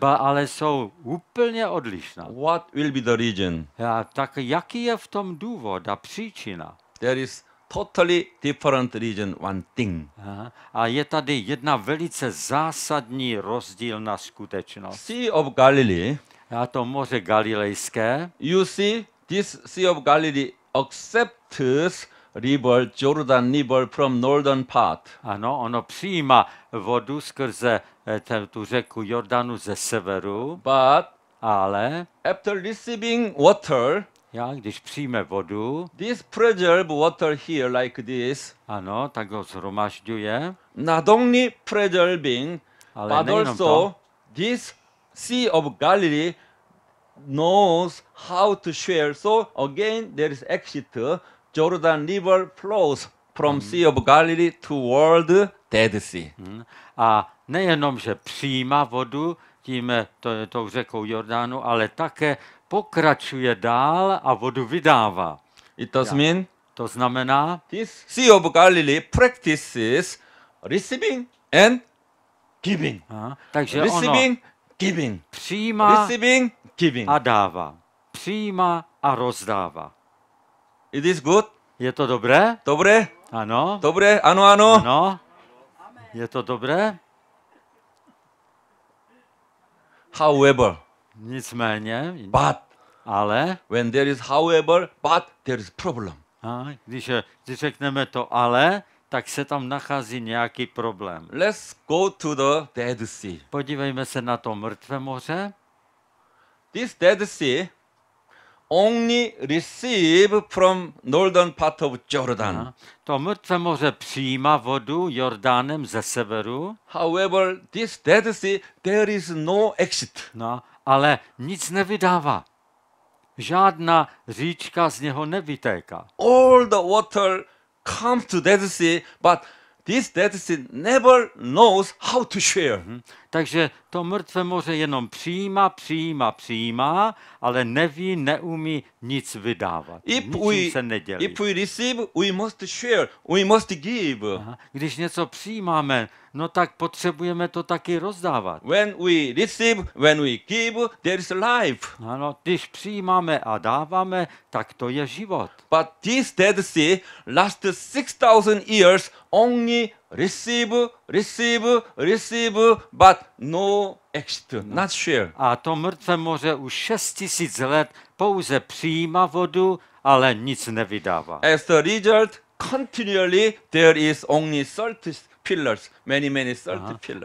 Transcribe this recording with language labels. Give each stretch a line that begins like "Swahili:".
Czech: Ale jsou úplně odlišná.
English: What will be the reason?
Czech: A tak jaký je v tom důvod a příčina?
English: There is totally different region, one thing.
Czech: A je tady jedna velice zásadní rozdílná skutečnost.
English: Sea of Galilee.
Czech: A to moře Galilejské.
English: You see, this Sea of Galilee accepts river Jordan river from northern part.
Czech: Ano, ono přijímá vodu skrze tu řeku Jordanu ze severu.
English: But
Czech: ale
English: after receiving water.
Czech: Já, když přijme vodu.
English: This preserve water here like this.
Czech: Ano, tak ho zhromažďuje.
English: Not only preserving,
Czech: ale
English: but also this Sea of Galilee knows how to share. So again, there is exit. Jordan River flows from Sea of Galilee toward Dead Sea.
Czech: A nejenom, že přijímá vodu tím tou řekou Jordánu, ale také pokračuje dál a vodu vydává.
English: It does mean,
Czech: to znamená,
English: this Sea of Galilee practices receiving and giving.
Czech: Takže
English: receiving,
Czech: ono
English: giving.
Czech: Přijímá
English: receiving, giving.
Czech: A dává. Přijímá a rozdává.
English: It is good?
Czech: Je to dobré? Dobré? Ano. Dobré, ano, ano. Ano. Je to dobré?
English: However,
Czech: nicméně,
English: but,
Czech: ale
English: when there is however, but there is problem.
Czech: Když řekneme to ale, tak se tam nachází nějaký problém.
English: Let's go to the Dead Sea.
Czech: Podívejme se na to mrtvé moře.
English: This Dead Sea only receive from northern part of Jordan.
Czech: To mrtvé moře přijímá vodu Jordánem ze severu.
English: However, this Dead Sea, there is no exit.
Czech: No, ale nic nevydává. Žádná říčka z něho nevytéká.
English: All the water comes to Dead Sea, but this Dead Sea never knows how to share.
Czech: Takže to mrtvé moře jenom přijímá, přijímá, přijímá, ale neví, neumí nic vydávat. Nic se nedělí.
English: If we receive, we must share, we must give.
Czech: Když něco přijímáme, no tak potřebujeme to taky rozdávat.
English: When we receive, when we give, there is life.
Czech: Ano, když přijímáme a dáváme, tak to je život.
English: But this Dead Sea last 6,000 years only receive, receive, receive, but no exit, not share.
Czech: A to mrtvé moře už 6000 let pouze přijímá vodu, ale nic nevydává.
English: As a result, continually there is only salt pillars, many, many salt pillars.